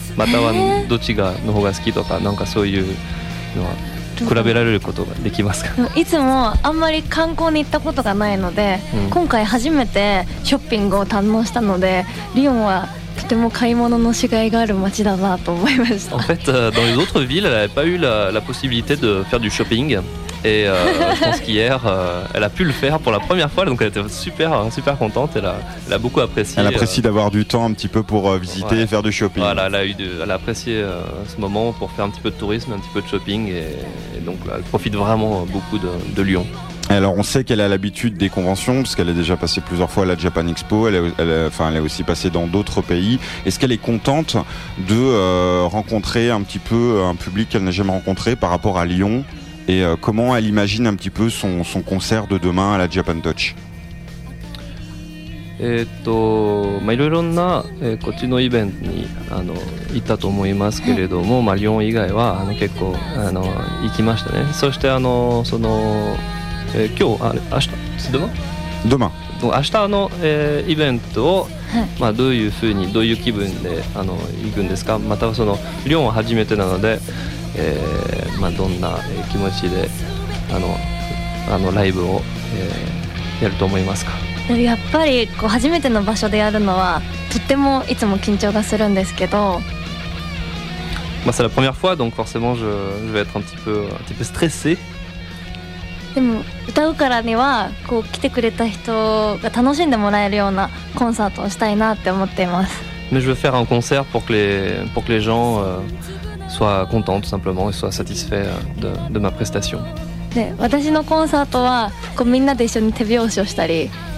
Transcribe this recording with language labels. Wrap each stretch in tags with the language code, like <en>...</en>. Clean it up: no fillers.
<ja>またはどっちがの方が好きとかなんかそういうのは比べられることができますか？いつもあんまり観光に行ったことがないので、うん、今回初めてショッピングを堪能したので、リヨンはとても買い物のしがいがある街だなと思いました。</ja> <fr>En fait, dans les autres villes, elle n'avait pas eu la possibilité de faire du shopping. Et je pense qu'hier, elle a pu le faire pour la première fois. Donc elle était super, super contente. Elle a beaucoup apprécié. Elle apprécie d'avoir du temps un petit peu pour visiter, ouais, et faire du shopping. Voilà, elle a apprécié ce moment pour faire un petit peu de tourisme, un petit peu de shopping. Et donc là, elle profite vraiment beaucoup de Lyon. Alors on sait qu'elle a l'habitude des conventions parce qu'elle est déjà passée plusieurs fois à la Japan Expo. Elle est aussi passée dans d'autres pays. Est-ce qu'elle est contente de rencontrer un petit peu un public qu'elle n'a jamais rencontré par rapport à Lyon? Et comment elle imagine un petit peu son concert de demain à la Japan Touch?</fr> <ja>まあ、いろいろな、こっちのイベントにあの行ったと思いますけれども、まあ、リオン以外はあの結構あの行きましたね。そしてあのその今日、あれ、明日、demain？</ja> <fr>demain。</fr> <ja>明日の、イベントを、まあ、どういうふうにどういう気分であの行くんですか？またはそのリオンは初めてなので、まあ、どんな気持ちであのライブを、やると思いますか？やっぱりこう初めての場所でやるのはとってもいつも緊張がするんですけど。</ja> <fr>まあ、c'est la première fois, donc forcément je vais être un petit peu stressé。</fr> <ja>でも歌うからにはこう来てくれた人が楽しんでもらえるようなコンサートをしたいなって思っています。</ja> <fr>Mais je veux faire un concert pour que les gens soient contents tout simplement et soient satisfaits de ma prestation。</fr> <ja>で、私のコンサートはこうみんなで一緒に手拍子をしたり。</ja>